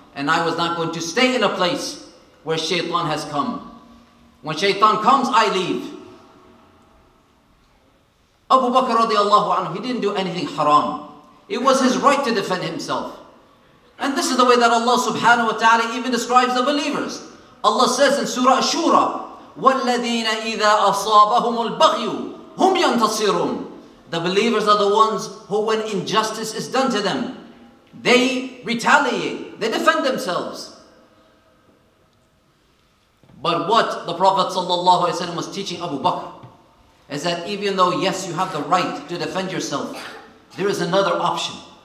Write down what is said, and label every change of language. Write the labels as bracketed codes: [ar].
[en] And I was not going to stay in a place where Shaytan has come. When Shaytan comes, I leave. Abu Bakr radiallahu anhu, he didn't do anything haram. It was his right to defend himself. And this is the way that Allah subhanahu wa ta'ala even describes the believers. Allah says in Surah Ashura, [ar] وَالَّذِينَ إِذَا أَصَابَهُمُ الْبَغْيُ هُمْ يَنْتَصِرُونَ. [en] The believers are the ones who, when injustice is done to them, they retaliate, they defend themselves. But what the Prophet sallallahu alaihi wasallam was teaching Abu Bakr is that even though, yes, you have the right to defend yourself, there is another option.